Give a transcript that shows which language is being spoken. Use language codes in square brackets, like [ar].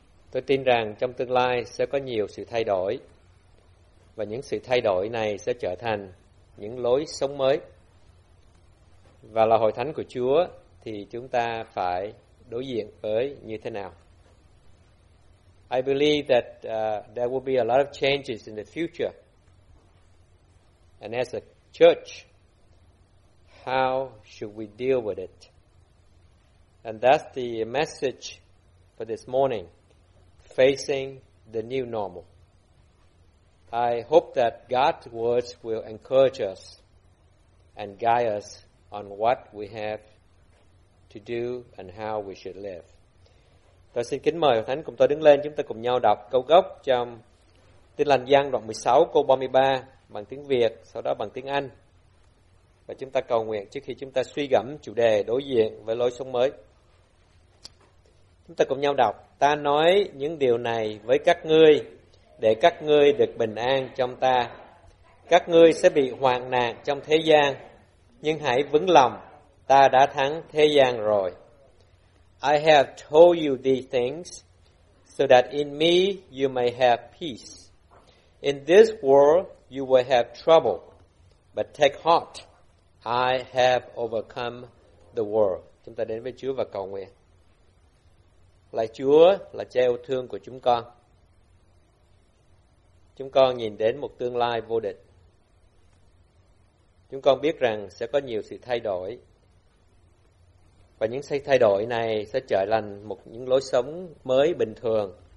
[vi] Tôi tin rằng trong tương lai sẽ có nhiều sự thay đổi và những sự thay đổi này sẽ trở thành những lối sống mới. Và là hội thánh của Chúa thì chúng ta phải đối diện với như thế nào? [en] I believe that there will be a lot of changes in the future. And as a church, how should we deal with it? And that's the message for this morning, facing the new normal. I hope that God's words will encourage us and guide us on what we have to do and how we should live. [vi] Tôi xin kính mời Thánh cùng tôi đứng lên, chúng ta cùng nhau đọc câu gốc trong Tin Lành Giăng đoạn 16 câu 33 bằng tiếng Việt, sau đó bằng tiếng Anh. Và chúng ta cầu nguyện trước khi chúng ta suy gẫm chủ đề đối diện với lối sống mới. Chúng ta cùng nhau đọc: Ta nói những điều này với các ngươi để các ngươi được bình an trong ta. Các ngươi sẽ bị hoạn nạn trong thế gian, nhưng hãy vững lòng, ta đã thắng thế gian rồi. [en] I have told you these things so that in me you may have peace. In this world you will have trouble, but take heart, I have overcome the world. [vi] Chúng ta đến với Chúa và cầu nguyện. Lạy Chúa là cha yêu thương của chúng con. Chúng con nhìn đến một tương lai vô định. Chúng con biết rằng sẽ có nhiều sự thay đổi. Và những sự thay đổi này sẽ trở thành một những lối sống mới bình thường.